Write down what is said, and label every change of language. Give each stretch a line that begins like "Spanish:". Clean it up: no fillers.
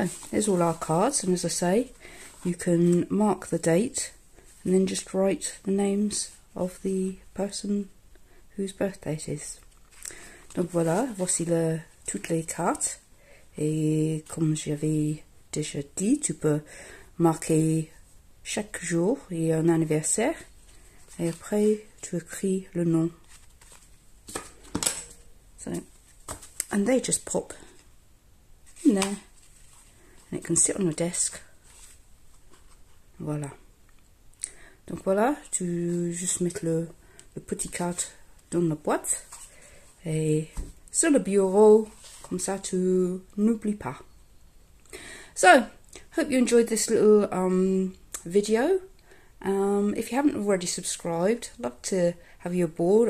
English: There's all our cards, and as I say, you can mark the date and then just write the names of the person whose birthday it is.
French: Donc voilà, voici le, toutes les cartes. Et comme j'avais déjà dit, tu peux marquer chaque jour et un anniversaire, et après tu écris le nom.
English: So, and they just pop in there. And it can sit on your desk. Voilà.
French: Donc voilà, tu juste mets le petit carte dans la boîte et sur le bureau, comme ça tu n'oublies pas.
English: So, hope you enjoyed this little video. If you haven't already subscribed, I'd love to have you aboard.